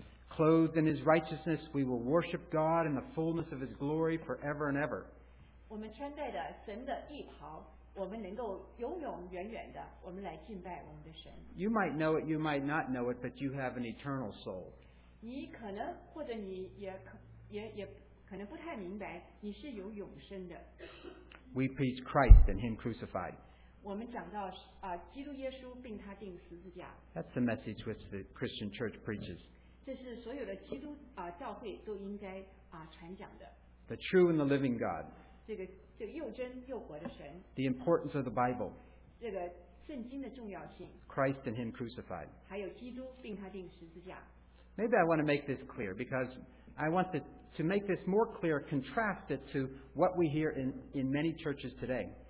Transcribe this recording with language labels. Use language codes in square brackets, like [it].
[en] clothed in His righteousness, we will worship God in the fullness of His glory forever and ever. [zh] 我们穿戴的神的义袍, 我们能够永永远远的, 我们来敬拜我们的神。 [en] You might know it, you might not know it, but you have an eternal soul. [zh] 你可能或者你也可能不太明白, 你是有永生的。 [en] We preach Christ and Him crucified. [zh] 我们讲到, 基督耶稣并他钉十字架。 [en] That's the message which the Christian church preaches. [zh] 这是所有的基督, 教会都应该, 传讲的。 [en] The true and the living God. [zh] 这个, 这个又真又活的神, [en] the importance of the Bible, [zh] 这个圣经的重要性, [en] Christ and Him crucified, [zh] 还有基督并他钉十字架。 [en] Maybe I want to make this clear because I want to make this more clear, contrast it to what we hear in many churches today.